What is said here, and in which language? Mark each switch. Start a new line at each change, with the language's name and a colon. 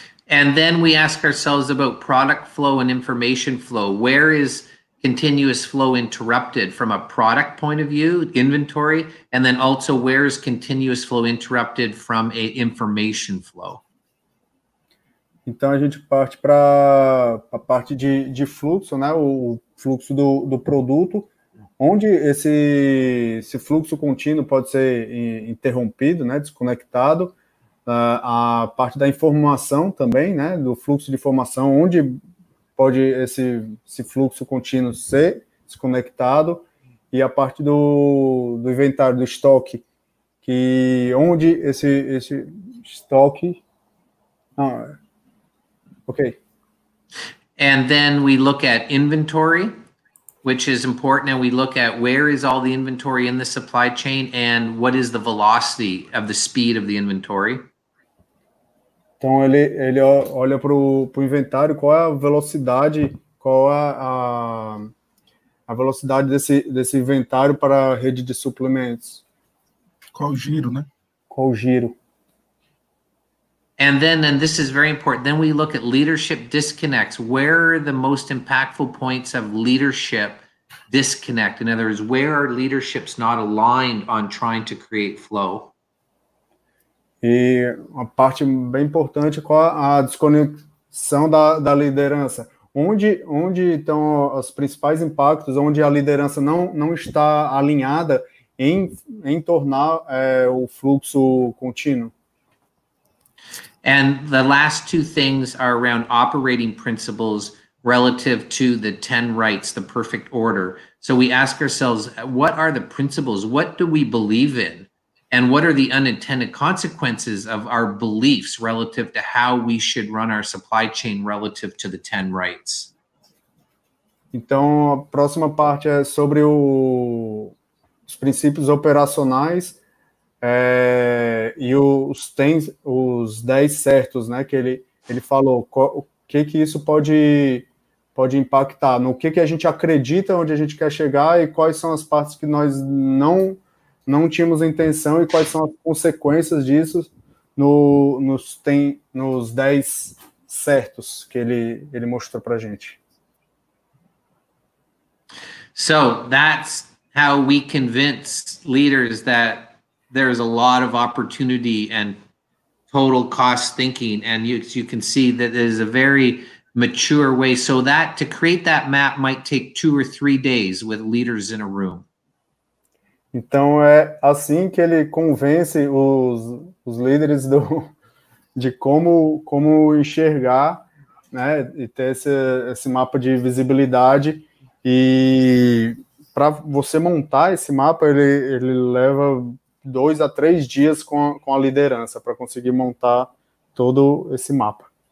English: And then we ask ourselves about product flow and information flow. Where is continuous flow interrupted from a product point of view, inventory? And then also, where is continuous flow interrupted from a information flow?
Portuguese: Então, a gente parte para a parte de fluxo, né? O fluxo do produto. Onde esse fluxo contínuo pode ser interrompido, né? Desconectado. A parte da informação também, né, do fluxo de informação, onde pode esse fluxo contínuo ser desconectado, e a parte do inventário, do estoque, que onde esse estoque... Ah, ok.
English: And then we look at inventory, which is important, and we look at where is all the inventory in the supply chain and what is the velocity of the speed of the inventory.
Portuguese: Então, ele olha para o inventário, qual é a velocidade, qual é a velocidade desse inventário para a rede de suplementos. Qual o giro, né? Qual o giro.
English: And then, and this is very important, then we look at leadership disconnects. Where are the most impactful points of leadership disconnect? In other words, where are leaderships not aligned on trying to create flow?
Portuguese: E uma parte bem importante, qual a desconexão da liderança? Onde estão os principais impactos, onde a liderança não está alinhada em tornar o fluxo contínuo?
English: And the last two things are around operating principles relative to the 10 rights, the perfect order. So we ask ourselves, what are the principles? What do we believe in? And what are the unintended consequences of our beliefs relative to how we should run our supply chain relative to the 10 rights?
Portuguese: Então, a próxima parte é sobre os princípios operacionais. E os 10 certos, né, que ele falou, o que isso pode impactar, no que a gente acredita, onde a gente quer chegar e quais são as partes que nós não tínhamos intenção e quais são as consequências disso nos 10 certos que ele mostrou pra gente.
English: So, that's how we convince leaders that there's a lot of opportunity and total cost thinking. And you can see that there's a very mature way. So that to create that map might take 2 or 3 days with leaders in a room.
Portuguese: Então é assim que ele convence os líderes de como enxergar, né, e ter esse mapa de visibilidade. E para você montar esse mapa, ele leva 2 a 3 dias com a liderança para conseguir montar todo esse mapa.